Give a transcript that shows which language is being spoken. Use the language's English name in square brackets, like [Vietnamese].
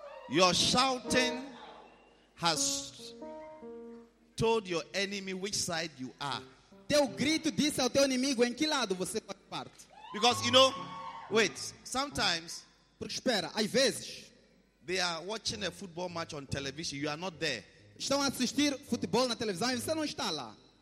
[English] Your shouting has told your enemy which side you are. [Portuguese] Teu grito disse ao teu inimigo em que lado você faz parte. [English] Because you know, wait, sometimes. [Portuguese] Porque espera, às vezes. [English] They are watching a football match on television, you are not there. [Portuguese] Estão a assistir futebol na televisão e você não está lá.